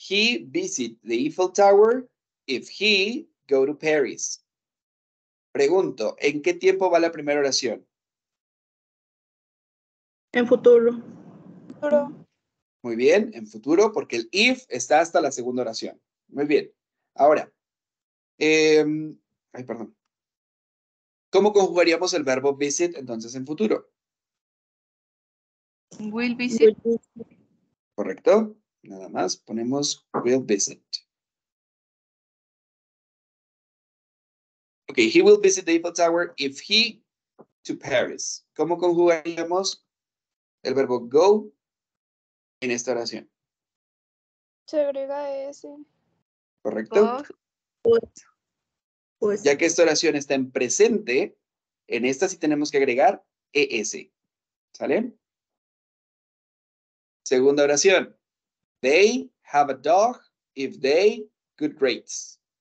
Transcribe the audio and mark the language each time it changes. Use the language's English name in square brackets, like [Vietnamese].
[English] He visit the Eiffel Tower if he go to Paris. [Spanish] Pregunto, ¿en qué tiempo va la primera oración? En futuro. Muy bien, en futuro, porque el if está hasta la segunda oración. Muy bien. Ahora, perdón. ¿Cómo conjugaríamos el verbo visit, entonces, en futuro? [English] Will visit. [Spanish] Correcto. Nada más ponemos [English] will visit. Ok, he will visit the Eiffel Tower if he to Paris. [Spanish] ¿Cómo conjugaríamos el verbo go en esta oración? Se agrega ese. Correcto. Pues. Ya que esta oración está en presente, en esta sí tenemos que agregar ES. ¿Sale? Segunda oración. [English] They have a dog if they good grades.